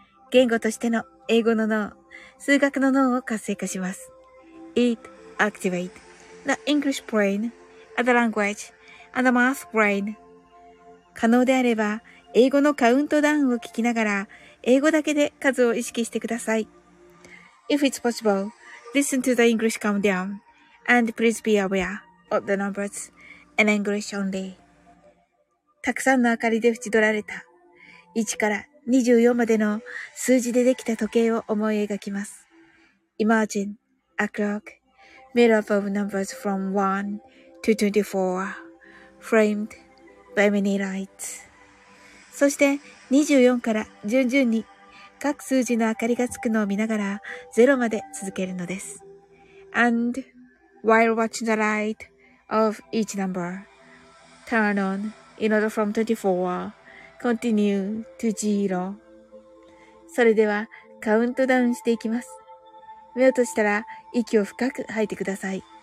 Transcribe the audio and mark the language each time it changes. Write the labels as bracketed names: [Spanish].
[Japanese] 言語としての英語の脳、数学の脳を活性化します。 [English] It activates the English brain, the language, and the math brain. [Japanese] 可能であれば、英語のカウントダウンを聞きながら、英語だけで数を意識してください。 [English] If it's possible, listen to the English countdown, and please be aware of the numbers in English only. [Japanese] たくさんの明かりで縁取られた、1から24までの数字でできた時計を思い描きます。 [English] Imagine a clock made up of numbers from 1 to 24, framed. By many lights. [Japanese] そして24から順々に各数字の明かりがつくのを見ながら0まで続けるのです。 [English] And while watching the light of each number, turn on in order from 24, continue to 0. [Japanese] それではカウントダウンしていきます。目を閉じたら息を深く吐いてください。